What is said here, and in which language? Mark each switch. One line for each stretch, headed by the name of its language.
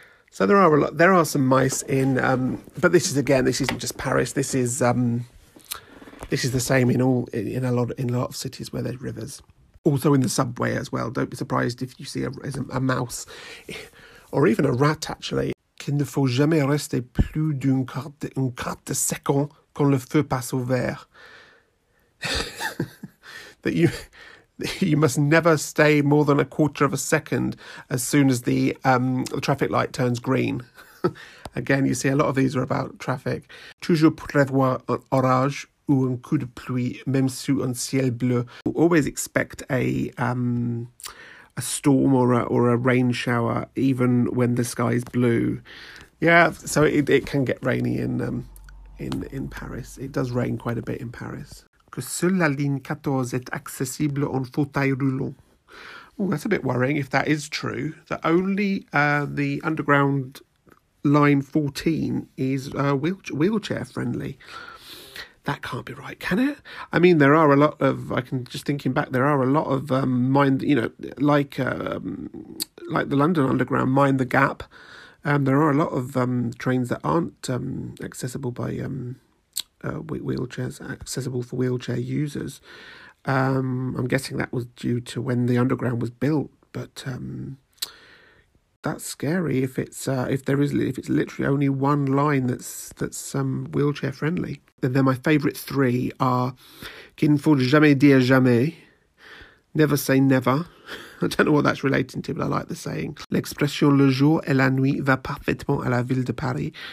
English: So there are some mice in, but this is, again, this isn't just Paris. This is the same in a lot of cities where there's rivers. Also in the subway as well. Don't be surprised if you see a mouse, or even a rat, actually.
French: Qu'il ne faut jamais rester plus d'une quart de seconde quand le feu passe au vert.
English: That you must never stay more than a quarter of a second as soon as the traffic light turns green. Again, you see a lot of these are about traffic.
French: Toujours prévoir un orage ou un coup de pluie, même sous un ciel bleu.
English: Always expect a storm or a rain shower, even when the sky is blue. Yeah, so it can get rainy in Paris. It does rain quite a bit in Paris.
French: Que seule la ligne 14 est accessible en fauteuil roulant.
English: Oh, that's a bit worrying if that is true. That only the underground line 14 is wheelchair friendly. That can't be right, can it? I mean, there are a lot of, I can just thinking back, there are a lot of like the London Underground, Mind the Gap. There are a lot of trains that aren't accessible by wheelchairs, accessible for wheelchair users. I'm guessing that was due to when the underground was built, but that's scary if it's literally only one line that's wheelchair friendly. Then my favourite three are
French: qu'il ne faut jamais dire jamais,
English: never say never. I don't know what that's relating to, but I like the saying.
French: L'expression le jour et la nuit va parfaitement à la ville de Paris.